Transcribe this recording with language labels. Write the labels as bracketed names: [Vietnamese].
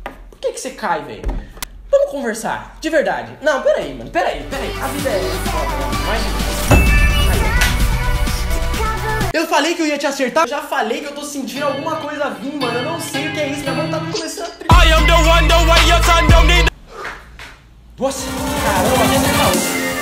[Portuguese] Por que que você cai, velho? Vamos conversar, de verdade. Não, peraí, mano, peraí. A vida é... Eu falei que eu ia te acertar. Eu já falei que eu tô sentindo alguma coisa vir, mano. Eu não sei o que é isso, minha mão tá começando a... [English] I am the one, your son don't need... [Portuguese] Nossa, caramba, já acertou.